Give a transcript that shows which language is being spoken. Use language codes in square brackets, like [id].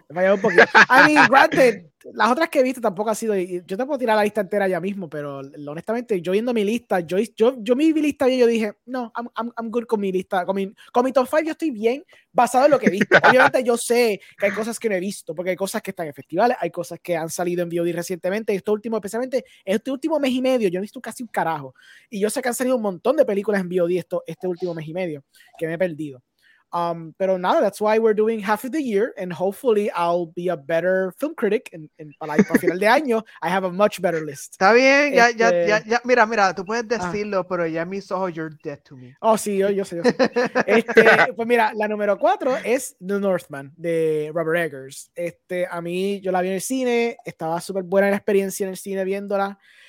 [en] I mean, granted, [es] las otras que he visto tampoco ha sido, yo te puedo tirar la lista entera ya mismo, pero honestamente, yo viendo mi lista, yo mi lista y yo dije, no, [en] I'm good [es] con mi lista, con mi top 5 yo estoy bien basado en lo que he visto. Obviamente yo sé que hay cosas que no he visto, porque hay cosas que están en festivales, hay cosas que han salido en VOD recientemente, y esto último, especialmente este último mes y medio, yo he visto casi un carajo, y yo sé que han salido un montón de películas en VOD este último mes y medio, que me he perdido. Pero nada, [en] that's why we're doing half of the year, and hopefully I'll be a better film critic. And [es] para final de año, [en] I have a much better list. [es] Está bien, ya. Mira, tú puedes decirlo, pero ya mis ojos, [en] you're dead to me. [es] Oh, sí, yo sé. pues mira, la número 4 es The Northman de Robert Eggers. A mí, yo la vi en el cine, estaba súper buena la experiencia en el cine viéndola.